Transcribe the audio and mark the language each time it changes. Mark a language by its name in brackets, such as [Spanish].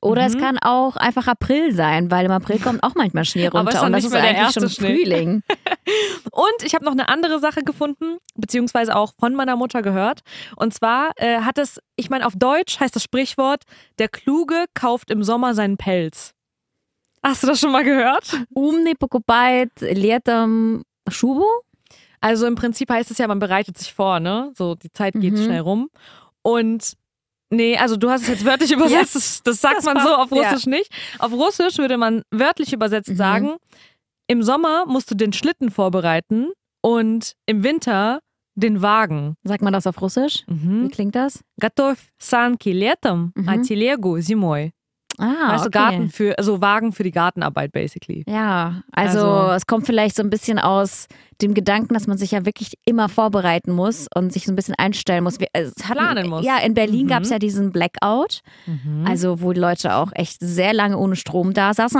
[German] Oder es kann auch einfach April sein, weil im April kommt auch manchmal Schnee runter. Aber und nicht das ist eigentlich schon Schnee. Frühling. Und ich habe noch eine andere Sache gefunden, beziehungsweise auch von meiner Mutter gehört. Und zwar hat es, ich meine, auf Deutsch heißt das Sprichwort, der Kluge kauft im Sommer seinen Pelz. Hast du das schon mal gehört? [Russian] Умный покупает летом шубу. [German] Also im Prinzip heißt es ja, man bereitet sich vor, ne? So, die Zeit geht schnell rum. Und nee, also du hast es jetzt wörtlich übersetzt, das sagt das man passt. So auf Russisch nicht. Auf Russisch würde man wörtlich übersetzt sagen, im Sommer musst du den Schlitten vorbereiten und im Winter den Wagen. Sagt man das auf Russisch? Mhm. Wie klingt das? [Russian] Готов санки летом, а телегу зимой. [German] Ah, also okay. Garten für, also Wagen für die Gartenarbeit, basically. Ja, also es kommt vielleicht so ein bisschen aus dem Gedanken, dass man sich ja wirklich immer vorbereiten muss und sich so ein bisschen einstellen muss. Planen muss. Ja, in Berlin gab es ja diesen Blackout, also wo die Leute auch echt sehr lange ohne Strom da saßen.